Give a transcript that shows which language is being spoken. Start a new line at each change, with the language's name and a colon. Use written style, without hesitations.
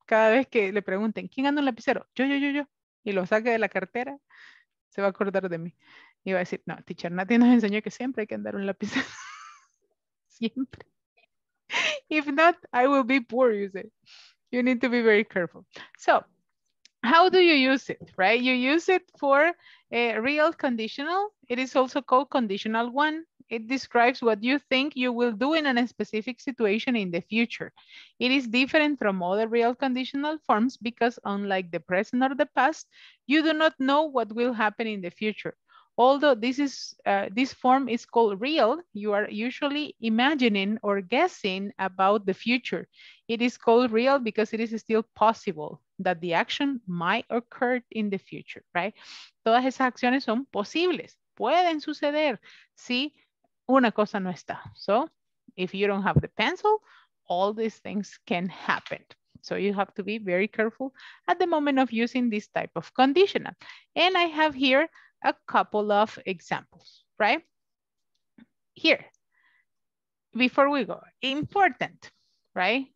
Spanish: Cada vez que le pregunten, ¿quién anda un lapicero? Yo. Y lo saque de la cartera, se va a acordar de mí. Y va a decir, no, teacher Nati nos enseñó que siempre hay que andar un lapicero. Siempre.
English: If not, I will be poor, you say. You need to be very careful. So, how do you use it, right? You use it for a real conditional. It is also called conditional one. It describes what you think you will do in a specific situation in the future. It is different from other real conditional forms because unlike the present or the past, you do not know what will happen in the future. Although this is this form is called real, you are usually imagining or guessing about the future. It is called real because it is still possible that the action might occur in the future, right?
Spanish: Todas esas acciones son posibles, pueden suceder, ¿sí? Una cosa no está.
English: So if you don't have the pencil, all these things can happen. So you have to be very careful at the moment of using this type of conditional. And I have here a couple of examples, right? Here, before we go, important, right?